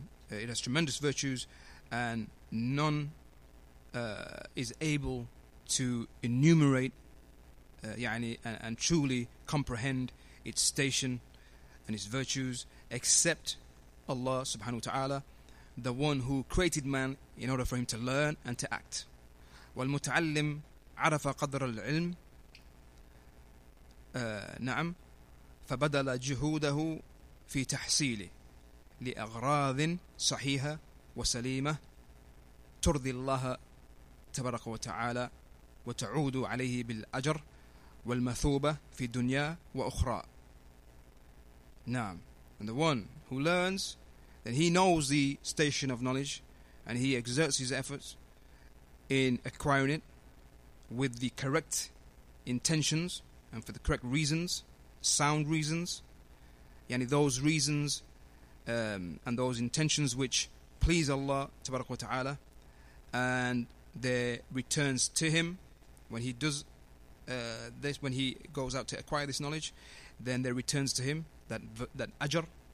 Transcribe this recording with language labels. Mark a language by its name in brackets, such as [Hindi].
[English] It has tremendous virtues, and none is able to enumerate, and truly comprehend its station and its virtues, except Allah subhanahu wa ta'ala, the one who created man in order for him to learn and to act. [Arabic] والمتعلم عرف قدر العلم نعم فبدل جهوده في تحصيله لأغراض صحيحة وسليمة ترضي الله تبارك وتعالى وتعود عليه بالأجر والمثوبة في الدنيا وأخرى. نعم. [English] And the one who learns, then he knows the station of knowledge, and he exerts his efforts in acquiring it with the correct intentions and for the correct reasons, sound reasons, yani those reasons and those intentions which please Allah tabarak wa ta'ala, and their returns to him when he does this, when he goes out to acquire this knowledge, then there returns to him that ajr,